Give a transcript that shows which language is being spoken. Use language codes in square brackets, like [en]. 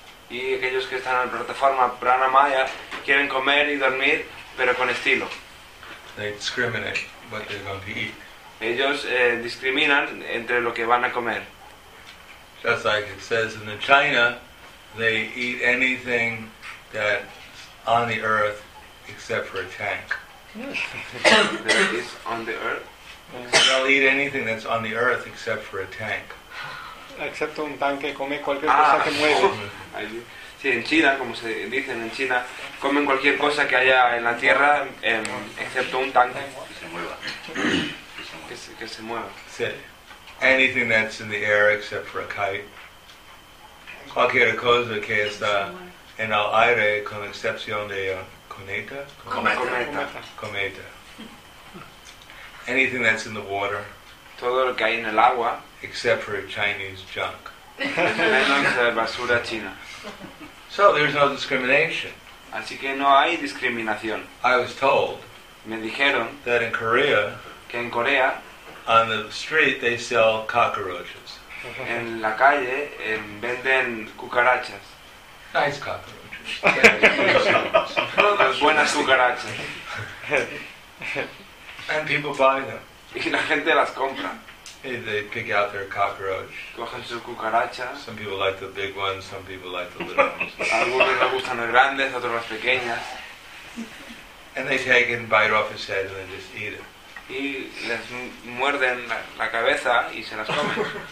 [es] Y aquellos que están en la plataforma Pranamaya quieren comer y dormir. Pero con estilo. [en] They discriminate what they're going to eat. [es] Ellos discriminan entre lo que van a comer. [en] Just like it says in the China, they eat anything that's on the earth except for a tank. They'll eat anything that's on the earth except for a tank. [es] Excepto un tanque, come cualquier cosa que mueve. Sí, en China, como se dice en China, comen cualquier cosa que haya en la tierra, excepto un tanque. Que se mueva. Que se mueva. Sí. [en] Anything that's in the air except for a kite. [es] Cualquier cosa que está en el aire con excepción de cometa. Cometa. [en] Cometa. Anything that's in the water. [es] Todo lo que hay en el agua. [en] Except for Chinese junk. [es] Menos basura china. [en] So there's no discrimination. [es] Así que no hay discriminación. [en] I was told. [es] Me dijeron [en] that in Korea, [es] que en Corea, [en] on the street they sell cockroaches. [es] En la calle venden cucarachas. [en] Nice cockroaches. [es] Buenas cucarachas. [en] And people buy them. [es] Y la gente las compra. [en] They pick out their cockroach. [es] Cogen su cucaracha. [en] Some people like the big ones, some people like the little ones. [es] Algunos les gustan las grandes, otros las pequeñas. [en] And they take and bite off his head and then just eat it. [es] Y les muerden la cabeza y se las comen.